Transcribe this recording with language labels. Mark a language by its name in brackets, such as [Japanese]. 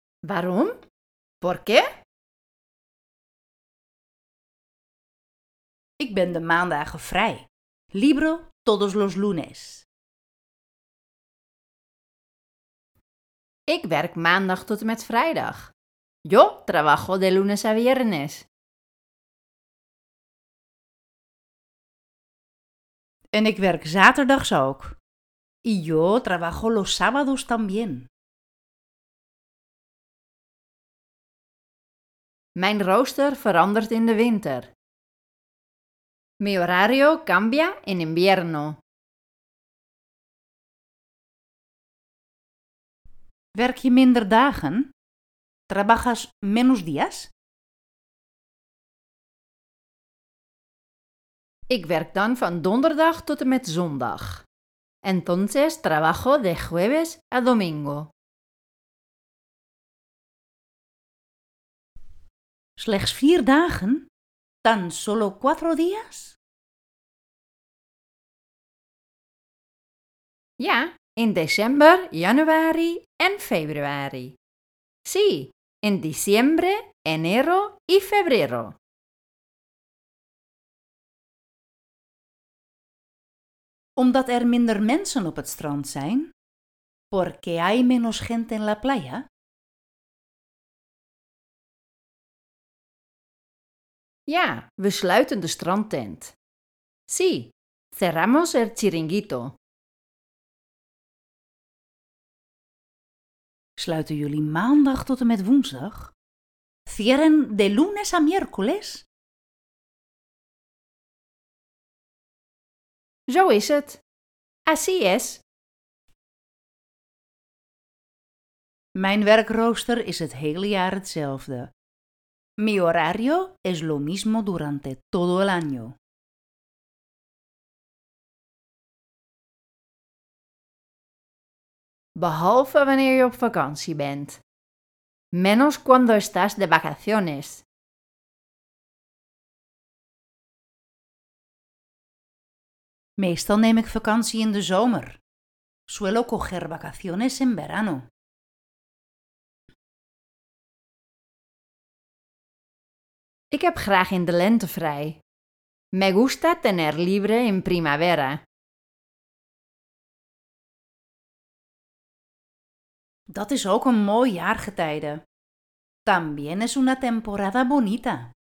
[Dutch] ¿Waarom? [Spanish] ¿Por qué? [Dutch] Ik ben de maandagen vrij. [Spanish] Libro todos los lunes. [Dutch] Ik werk maandag tot en met vrijdag. [Spanish] Yo trabajo de lunes a viernes. [Dutch] En ik werk zaterdags ook. [Spanish] Y yo trabajo los sábados también. [Dutch] Mijn rooster verandert in de winter. [Spanish] Mi horario cambia en invierno. [Dutch] Werk je minder dagen? [Spanish] ¿Trabajas menos días? [Dutch] Ik werk dan van donderdag tot en met zondag. [Spanish] Entonces trabajo de jueves a domingo. [Dutch] Slechts 4 dagen? [Spanish] Tan solo 4 días? [Dutch] Ja, in december, januari en februari. [Spanish] Sí, en diciembre, enero y febrero. [Dutch] Omdat er minder mensen op het strand zijn? [Spanish] Porque hay menos gente en la playa? [Dutch] Ja, we sluiten de strandtent. [Spanish] Sí, cerramos el chiringuito. [Dutch] Sluiten jullie maandag tot en met woensdag? [Spanish] Cierren de lunes a miércoles? [Dutch] Zo is het. [Spanish] Así es. [Dutch] Mijn werkrooster is het hele jaar hetzelfde. [Spanish] Mi horario es lo mismo durante todo el año. [Dutch] Behalve wanneer je op vakantie bent. [Spanish] Menos cuando estás de vacaciones. [Dutch] Meestal neem ik vakantie in de zomer. [Spanish] Suelo coger vacaciones en verano. [Dutch] Ik heb graag in de lente vrij. [Spanish] Me gusta tener libre en primavera. [Dutch] Dat is ook een mooi jaargetijde. [Spanish] También es una temporada bonita.